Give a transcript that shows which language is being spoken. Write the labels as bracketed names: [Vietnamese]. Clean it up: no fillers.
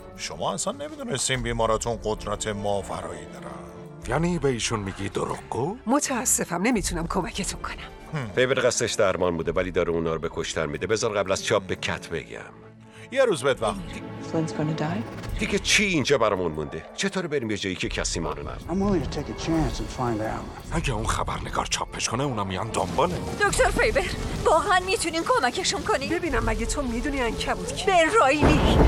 [Persian] شما اصلا نمیدونستین بیمارتون قدرت ماورایی داره. یعنی به ایشون میگی دروغگو؟ متاسفم نمیتونم کمکتون کنم. فیبر قصدش درمان بوده ولی داره اونا رو به کشتن میده. بذار قبل از چاپ به کت بگم. یه روز بهت وقت. [English] Flynn's gonna die? [Persian] دیگه چی اینجا برامون مونده؟ چطوره بریم به جایی که کسی ما رو نبینه؟ [English] I'm willing to take a chance and find out. [Persian] اگه اون خبرنگار چاپش کنه اونا میان دنباله. دکتر فیبر، واقعا میتونین کمکشون کنی؟ ببینم مگه تو میدونی عنکبوت کی؟ بن رایلی.